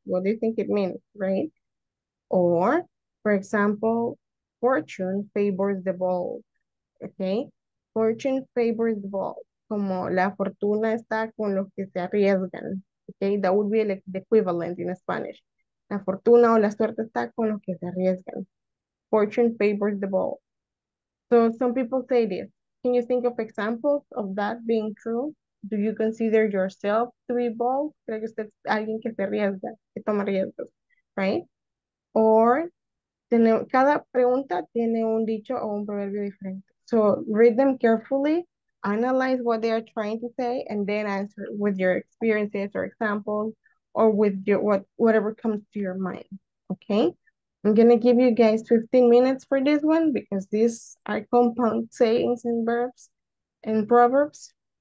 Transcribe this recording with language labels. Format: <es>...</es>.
<en>What do you think it means, right? Or, for example, fortune favors the bold, okay? Fortune favors the bold.</en> <es>Como la fortuna está con los que se arriesgan, okay?</es> <en>That would be like the equivalent in Spanish.</en> <es>La fortuna o la suerte está con los que se arriesgan.</es> <en>Fortune favors the bold. So some people say this. Can you think of examples of that being true? Do you consider yourself to be bold?</en> <es>Creo que usted alguien que se arriesga, que toma riesgos, right? Or cada pregunta tiene un dicho o un proverbio diferente.</es> <en>So read them carefully, analyze what they are trying to say, and then answer with your experiences or examples or with whatever comes to your mind, okay? I'm going to give you guys 15 minutes for this one because these are compound sayings and verbs and proverbs.</en>